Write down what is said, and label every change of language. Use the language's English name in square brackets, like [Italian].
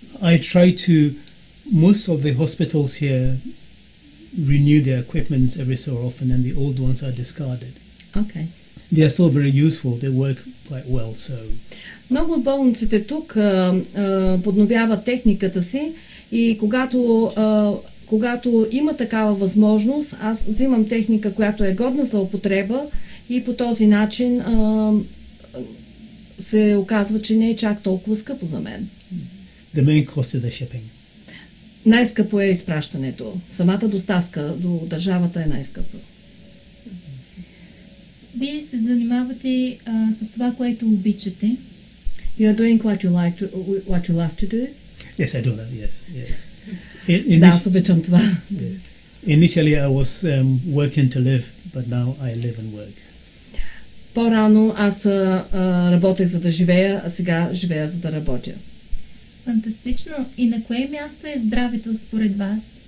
[English] I try to, most of the hospitals here renew their equipment every so often and the old ones are discarded. Okay. They are still very useful. They work quite well, so. [Bulgarian] Много от болниците тук подновяват техниката си и когато, когато има такава възможност, аз взимам техника, която е годна за употреба и по този начин се оказва, че не е чак толкова скъпо за мен. [English] The main cost is the shipping. [Bulgarian] Най-скъпо е изпращането. Самата доставка до държавата е най-скъпо. Вие се занимавате с това, което обичате. [English] You are doing what you like to, what you love to do? Yes, I do that. Yes, yes. [Bulgarian] Да, аз обичам това. [English] Yes. Initially I was working to live, but now I live and work. [Bulgarian] По-рано аз работех за да живея, а сега живея за да работя. Фантастично. И на кое място е здравето според вас?